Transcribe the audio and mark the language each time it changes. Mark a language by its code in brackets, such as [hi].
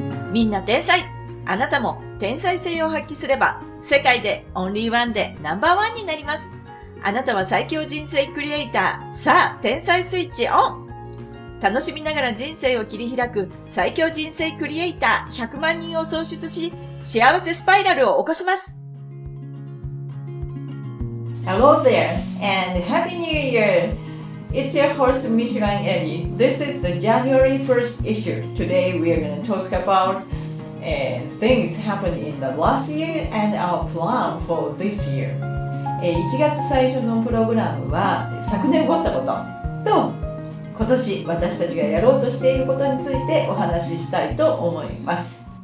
[ja] みんな天才、あなたも天才性を発揮すれば世界でオンリーワンでナンバーワンになります。あなたは最強人生クリエイター。さあ天才スイッチオン。楽しみながら人生を切り開く最強人生クリエイター100万人を創出し、幸せスパイラルを起こします。 [en] Hello there and Happy New Year! It's your host Michelin Eddy. This is the January 1st issue. Today we are going to talk about things happened in the last year and our plan for this year. [ja] 1月最初のプログラムは昨年終わったことと今年私たちがやろうとしていることについてお話ししたいと思います。